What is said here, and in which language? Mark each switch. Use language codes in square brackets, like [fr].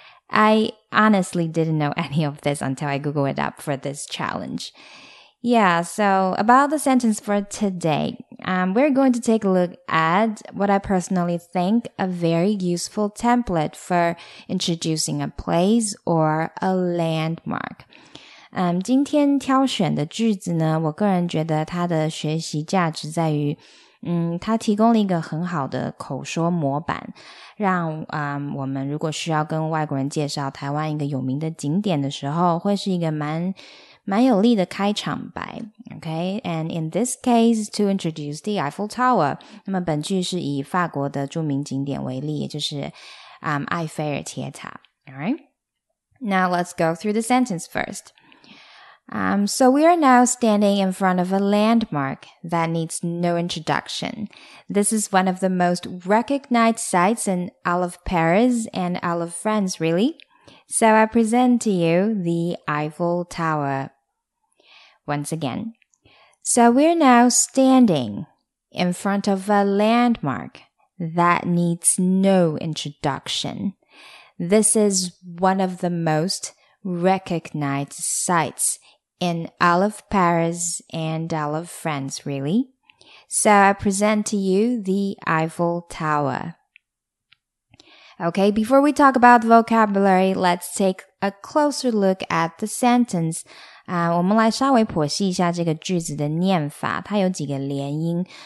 [en] I honestly didn't know any of this until I Googled it up for this challenge. Yeah, so about the sentence for today, we're going to take a look at what I personally think a very useful template for introducing a place or a landmark. [zh] 今天挑选的句子呢，我个人觉得它的学习价值在于，它提供了一个很好的口说模板，让我们如果需要跟外国人介绍台湾一个有名的景点的时候，会是一个蛮有力的开场白。 [en] Okay, and in this case, to introduce the Eiffel Tower. [zh] 那么本句是以法国的著名景点为例，也就是埃菲尔铁塔。 [en] All right, now let's go through the sentence first. So we are now standing in front of a landmark that needs no introduction. This is one of the most recognized sites in all of Paris and all of France, really. So I present to you the Eiffel Tower. Once again. So we're now standing in front of a landmark that needs no introduction. This is one of the most recognized sites in all of Paris and all of France, really. So I present to you the Eiffel Tower. Okay, before we talk about vocabulary, let's take a closer look at the sentence. [zh] 我们来稍微剖析一下这个句子的念法，它有几个连音。